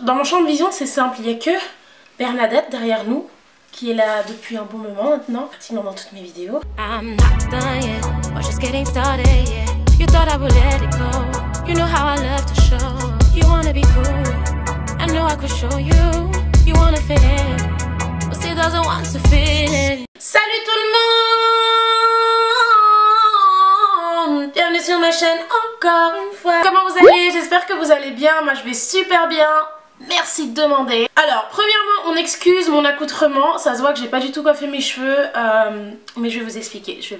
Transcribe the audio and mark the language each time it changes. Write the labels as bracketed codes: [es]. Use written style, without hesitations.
[fr] Dans mon champ de vision, c'est simple. Il n'y a que Bernadette derrière nous, qui est là depuis un bon moment maintenant, pratiquement dans toutes mes vidéos. [en] I'm not done yet, we're just getting started, yeah. You thought I would let it go, you know how I love to show. You wanna be cool, I know I could show you. You wanna fit in, but still doesn't want to fit in. [fr] Salut tout le monde, bienvenue sur ma chaîne encore une fois. Comment vous allez? J'espère que vous allez bien, moi je vais super bien. Merci de demander. Alors, premièrement, on excuse mon accoutrement. Ça se voit que j'ai pas du tout coiffé mes cheveux. Mais je vais vous expliquer.